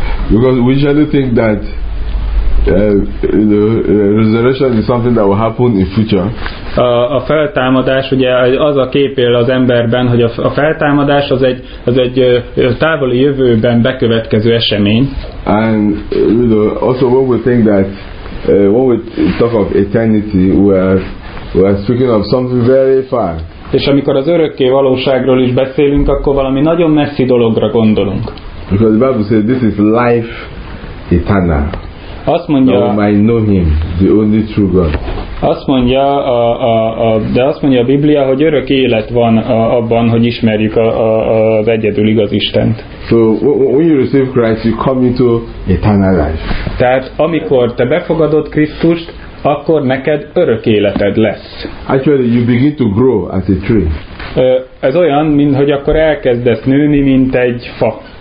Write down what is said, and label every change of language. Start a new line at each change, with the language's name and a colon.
English: Because we usually think that resurrection is something that will happen in future.
Hungarian: A feltámadás, ugye az a kép él az emberben, hogy a feltámadás az egy távoli jövőben bekövetkező esemény.
English: And you know, also when we think that when we talk of eternity, we are speaking of something very far.
Hungarian: És amikor az örökké valóságról is beszélünk, akkor valami nagyon messzi dologra gondolunk.
English: Because the Bible says this is life eternal.
Hungarian: Azt mondja,
English: I know him, the only true God.
Hungarian: Azt mondja de azt mondja a Biblia, hogy örök élet van abban, hogy ismerjük az egyedül igaz Istent.
English: So when you receive Christ, you come into eternal life.
Hungarian: Tehát amikor te befogadod Krisztust, akkor neked örök életed lesz.
English: Actually, you begin to grow as a tree.
Hungarian: Ez olyan, mint hogy akkor elkezdesz nőni, mint egy fa.